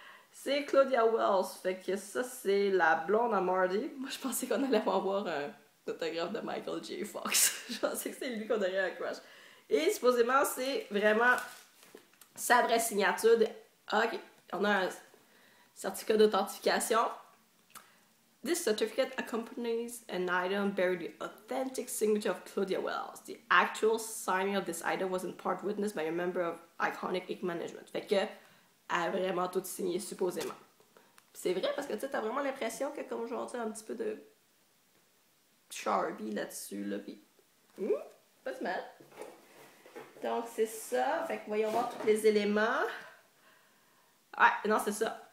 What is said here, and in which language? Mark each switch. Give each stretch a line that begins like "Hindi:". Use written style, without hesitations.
French: C'est Claudia Wells, fait que ça c'est la blonde à Marty. Moi je pensais qu'on allait avoir un autographe de Michael J. Fox. Je pensais que c'est lui qu'on aurait un crush. Et supposément c'est vraiment sa vraie signature. Ok, on a un certificat d'authentification.
English: This certificate accompanies an item bearing the authentic signature of Claudia Wells. The actual signing of this item was in part witnessed by a member of Iconic Inc. Management.
French: Fait que a vraiment tout signé, supposément. C'est vrai, parce que tu as vraiment l'impression que comme genre, tu as un petit peu de Sharpie là-dessus, là, pis... pas si mal. Donc, c'est ça. Fait que voyons voir tous les éléments. Ouais, non, c'est ça.